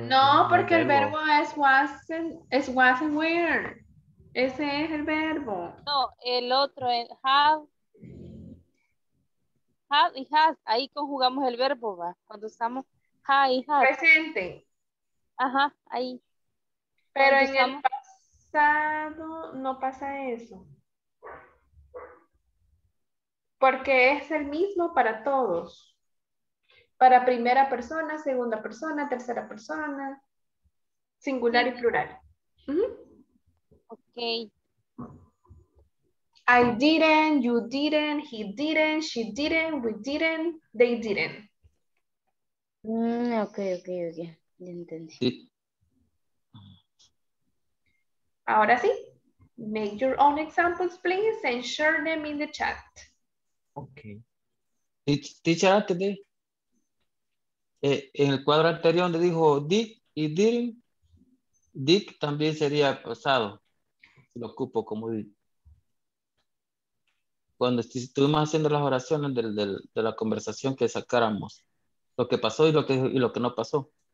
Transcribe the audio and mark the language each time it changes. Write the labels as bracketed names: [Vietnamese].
[Spanish] No, porque el verbo es [English] was and where. [Spanish] Ese es el verbo. No, el otro es have y has, ahí conjugamos el verbo, ¿va? Cuando usamos have y has. Presente. Ajá, ahí. Pero cuando en el pasado no pasa eso. Porque es el mismo para todos. Para primera persona, segunda persona, tercera persona, singular y plural. ¿Mm? Ok. [English] I didn't, you didn't, he didn't, she didn't, we didn't, they didn't. [Spanish] Okay. Ya entendí. Sí. Ahora sí. [English] Make your own examples, please, and share them in the chat. Okay. [Spanish] Teacher, antes de. En el cuadro anterior donde dijo did y didn't, did también sería pasado. Si lo ocupo como did. Cuando estuvimos haciendo las oraciones de la conversación que sacáramos, lo que pasó y lo que no pasó.